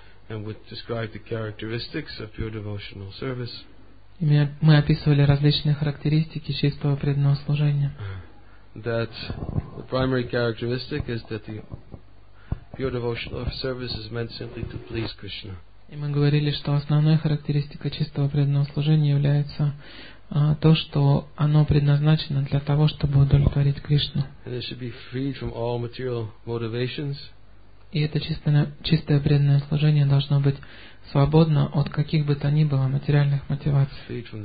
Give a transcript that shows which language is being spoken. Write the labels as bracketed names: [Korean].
[English] And we described the characteristics of pure devotional service. [Russian] И мы описывали различные характеристики чистого преданного служения. [English] That the primary characteristic is that the pure devotional service is meant simply to please Krishna. [Russian] И мы говорили, что основная характеристика чистого преданного служения является то, что оно предназначено для того, чтобы удовлетворить Кришну. [English] And it should be freed from all material motivations. [Russian] И это чистое преданное служение должно быть свободно от каких бы то ни было материальных мотиваций.